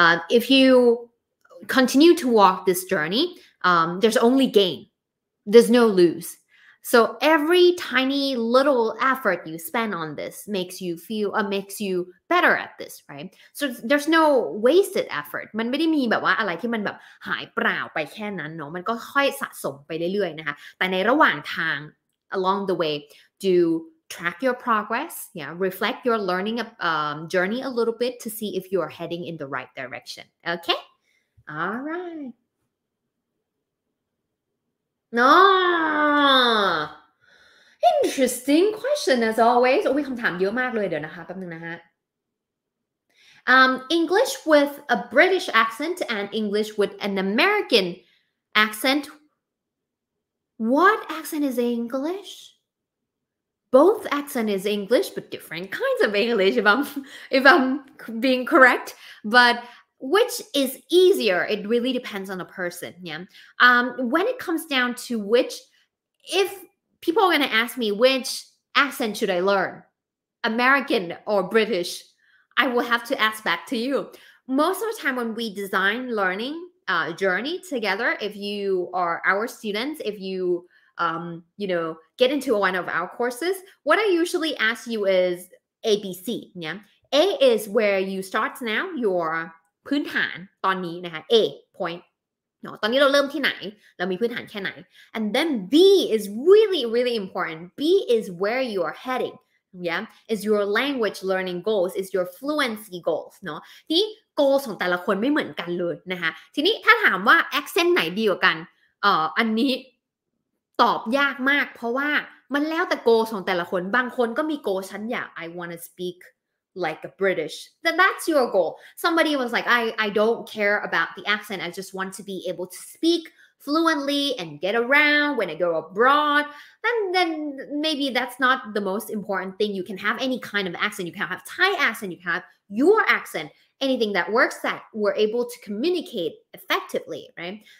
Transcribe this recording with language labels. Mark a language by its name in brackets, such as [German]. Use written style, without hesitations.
[English] If you continue to walk this journey, there's only gain. There's no lose. So every tiny little effort you spend on this makes you feel makes you better at this, right? So there's no wasted effort. [Thai] มันไม่ได้มีแบบว่าอะไรที่มันแบบหายเปล่าไปแค่นั้นเนาะมันก็ค่อยสะสมไปเรื่อยๆนะคะแต่ในระหว่างทาง [English] along the way do track your progress, yeah, reflect your learning journey a little bit to see if you are heading in the right direction. Okay? All right. No, Interesting question as always. [Thai] โอ้ยคำถามเยอะมากเลยเดี๋ยวนะคะแป๊บนึงนะฮะ [English] English with a British accent and English with an American accent. What accent is English? Both accent is English, but different kinds of English, if I'm being correct. But which is easier? It really depends on the person. Yeah. When it comes down to which, if people are going to ask me which accent should I learn, American or British, I will have to ask back to you. Most of the time when we design learning journey together, if you are our students, if you, you know, get into one of our courses, what I usually ask you is ABC. Yeah? A is where you start now, your [Thai] พื้นฐานตอนนี้นะคะ [English] A point. [Thai] No, ตอนนี้เราเริ่มที่ไหนเรามีพื้นฐานแค่ไหน [English] And then B is really, really important. B is where you are heading. Yeah, is your language learning goals, is your fluency goals, no? [Thai] ที่ goals ของแต่ละคนไม่เหมือนกันเลยนะคะทีนี้ถ้าถามว่า accent ไหนดีกว่ากันอันนี้ตอบยากมากเพราะว่ามันแล้วแต่ goals ของแต่ละคนบางคนก็มี goal ฉันอยาก [English] I want to speak like a British. Then that's your goal. Somebody was like, I don't care about the accent. I just want to be able to speakfluently and get around when I go abroad, then maybe that's not the most important thing. You can have any kind of accent. You can have Thai accent, you can have your accent, anything that works that we're able to communicate effectively, right?